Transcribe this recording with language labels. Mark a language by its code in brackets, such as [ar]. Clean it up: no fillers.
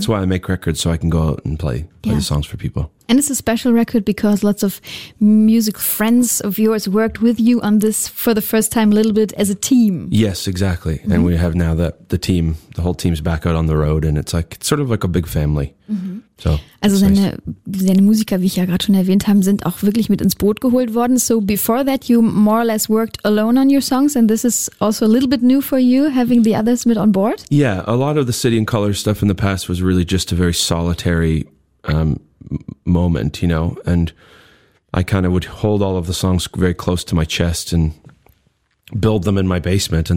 [en] That's why I make records, so I can go out and play the songs for people. And it's a special record because lots of music friends of yours worked with you on this for the first time a little bit as a team. Yes, exactly. Mm-hmm. And we have now the whole team's back out on the road and it's sort of like a big family. Mm-hmm. So, [de] also seine Musiker, wie ich ja gerade schon erwähnt habe, sind auch wirklich mit ins Boot geholt worden. [en] So before that you more or less worked alone on your songs and this is also a little bit new for you, having the others mit on board? Yeah, a lot of the City and Color stuff in the past was really just a very solitary moment, you know, and I kind of would hold all of the songs very close to my chest and build them in my basement.